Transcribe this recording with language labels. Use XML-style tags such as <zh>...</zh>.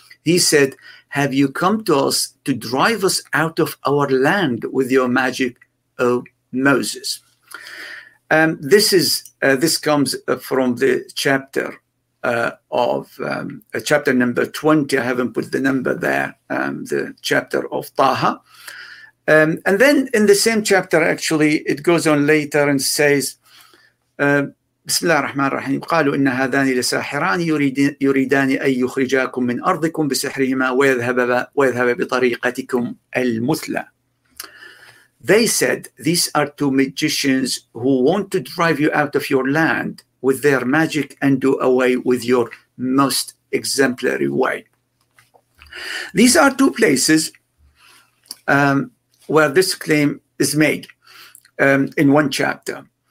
<en>He said, have you come to us to drive us out of our land with your magic, O Moses? This is this comes from the chapter of chapter number 20. I haven't put the number there, the chapter of Taha. And then in the same chapter, actually, it goes on later and says,</en> <ar>بسم الله الرحمن الرحيم قالوا إن هذان لساحران يريدان أن يخرجاكم من أرضكم بسحرهما ويذهب بطريقتكم المثلى.</ar> <en>They said, these are two magicians who want to drive you out of your land with their magic and do away with your most exemplary way. These are two places where this claim is made in one chapter.</en>